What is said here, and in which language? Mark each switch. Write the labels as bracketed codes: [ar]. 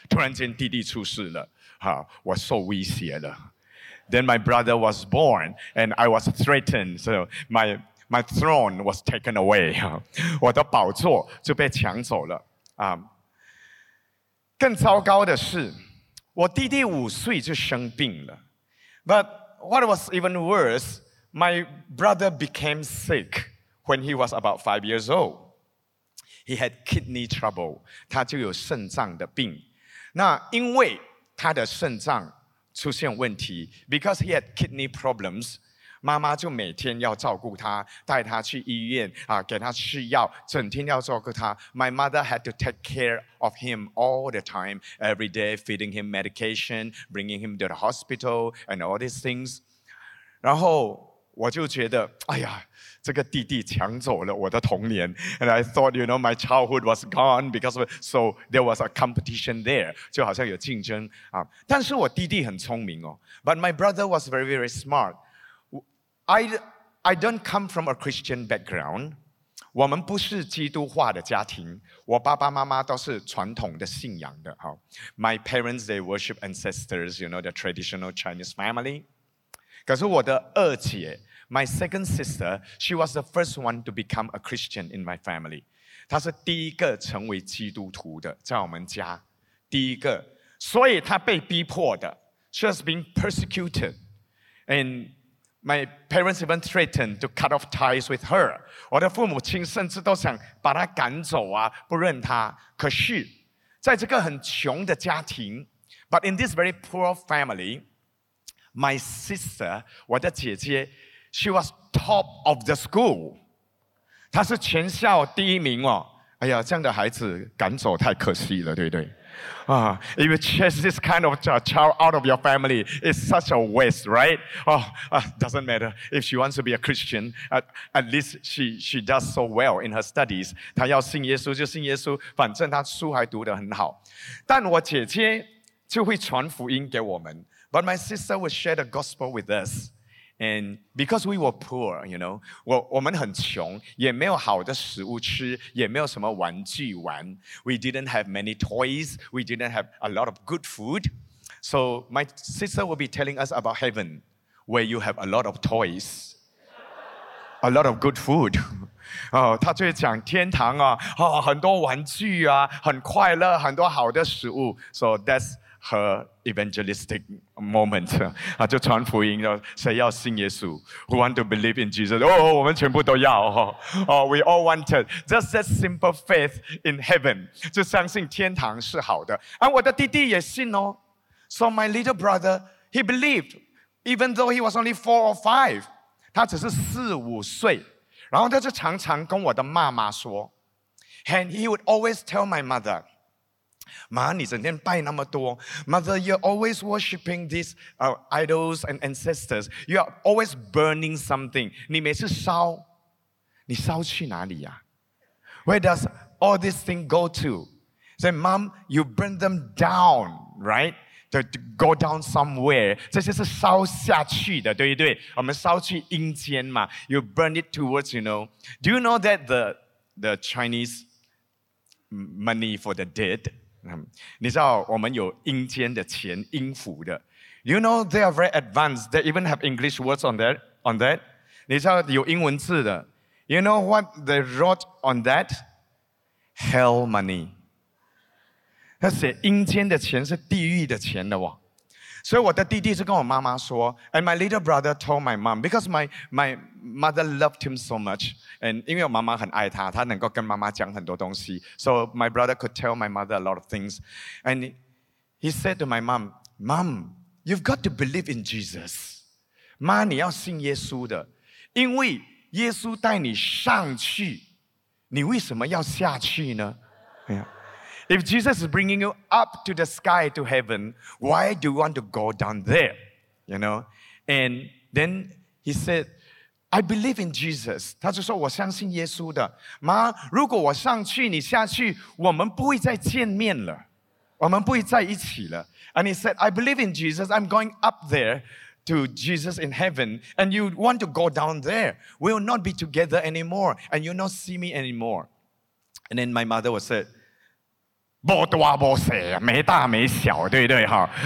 [zh] 突然间弟弟出世了，我受威胁了。 [en] Then my brother was born, and I was threatened. So my throne was taken away. [zh] 我的宝座就被抢走了。更糟糕的是，我弟弟五岁就生病了。 [en] But what was even worse, my brother became sick when he was about 5 years old. He had kidney trouble. [zh] 他就有肾脏的病。那因为他的肾脏出现问题， [en] because he had kidney problems, [zh] 妈妈就每天要照顾他，带他去医院，给他吃药，整天要照顾他。 [en] My mother had to take care of him all the time, every day feeding him medication, bringing him to the hospital, and all these things. [zh] 然后我就觉得，哎呀，这个弟弟抢走了我的童年。 [en] And I thought, you know, my childhood was gone because of it. So there was a competition there, [zh] 就好像有竞争。但是我弟弟很聪明哦。 [en] But my brother was very, very smart. I don't come from a Christian background. [zh] 我们不是基督化的家庭。我爸爸妈妈都是传统的信仰的。 [en] My parents, they worship ancestors, you know, the traditional Chinese family. [zh] 可是我的二姐 [en] my second sister, she was the first one to become a Christian in my family. [zh] 她是第一个成为基督徒的，在我们家，第一个，所以她被逼迫的。 [en] She has been persecuted. And my parents even threatened to cut off ties with her. [zh] 我的父母亲甚至都想把她赶走啊，不认她。可是在这个很穷的家庭 [en] but in this very poor family, my sister, [zh] 我的姐姐 [en] she was top of the school. [zh] 她是全校第一名哦。哎呀，这样的孩子赶走太可惜了，对不对？ [en] If you chase this kind of child out of your family, it's such a waste, right? Doesn't matter. If she wants to be a Christian, at least she does so well in her studies. [zh] 她要信耶稣就信耶稣，反正她书还读得很好。但我姐姐就会传福音给我们。 [en] But my sister would share the gospel with us. And because we were poor, you know, [zh] 我们很穷，也没有好的食物吃，也没有什么玩具玩。 [en] We didn't have many toys. We didn't have a lot of good food. So my sister will be telling us about heaven, where you have a lot of toys, a lot of good food. [zh] 她就会讲天堂啊，很多玩具啊，很快乐，很多好的食物。 [en] So that's her evangelistic moment. [zh] 她就传福音，谁要信耶稣？ [en] Who want to believe in Jesus? [zh] 我们全部都要。 [en] We all wanted. Just that simple faith in heaven. [zh] 就相信天堂是好的。我的弟弟也信哦。 [en] So my little brother, he believed. Even though he was only 4 or 5. [zh] 他只是4、5岁。然后他就常常跟我的妈妈说。 [en] And he would always tell my mother, [zh] 妈，你整天拜那么多。 [en] Mother, you're always worshipping these idols and ancestors. You are always burning something. [zh] 你每次烧，你烧去哪里呀？ [en] Where does all this thing go to? Say, Mom, you burn them down, right? To go down somewhere. [zh] 这些是烧下去的，对不对？我们烧去阴间嘛。 [en] You burn it towards, you know. Do you know that the Chinese money for the dead? [zh] 你知道我们有阴间的钱，阴府的。 [en] You know they are very advanced. They even have English words on that. On that, [zh] 你知道有英文字的。 [en] You know what they wrote on that? Hell money. [zh] 他写阴间的钱是地狱的钱的哦。所以我的弟弟就跟我妈妈说 [en] ，and my little brother told my mom because my mother loved him so much, and [zh] 因为我妈妈很爱他，他能够跟妈妈讲很多东西 [en] ，so my brother could tell my mother a lot of things, and he said to my mom, "Mom, you've got to believe in Jesus." [zh] 妈，你要信耶稣的，因为耶稣带你上去，你为什么要下去呢？ [en] Yeah. If Jesus is bringing you up to the sky, to heaven, why do you want to go down there? You know? And then he said, I believe in Jesus. [zh] 他就说我相信耶稣的。妈，如果我上去，你下去，我们不会再见面了。我们不会在一起了。 [en] And he said, I believe in Jesus. I'm going up there to Jesus in heaven. And you want to go down there. We'll not be together anymore. And you'll not see me anymore. And then my mother was said, [zh] 没大没小，没大没小，对对哈。